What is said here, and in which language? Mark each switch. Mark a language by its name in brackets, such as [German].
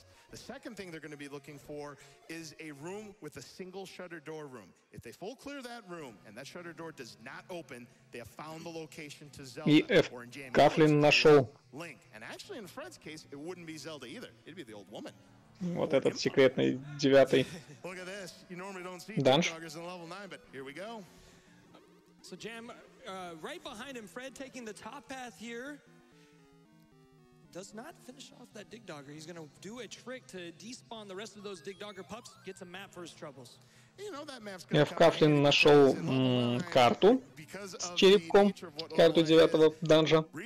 [English] The second thing they're going to be looking for is a room with a single shutter door room. If they full clear that room and that shutter door does not open, they have found the location to Zelda. [Russian] Кафлин нашел. [English] Link. And actually, in Fred's case, it wouldn't be Zelda either. It'd be the old woman. [Russian] Вот этот секретный девятый. [English] Look at this. You normally don't see joggers in level 9, but here we go. So Jam, right behind him, Fred taking the top path here. Does not finish off that Dig Dogger. He's going to do a trick to despawn the rest of those Dig Dogger pups. Gets a map for his troubles. You know that map's going to. [Russian] Кафлин нашел карту с черепком, карту девятого данжа.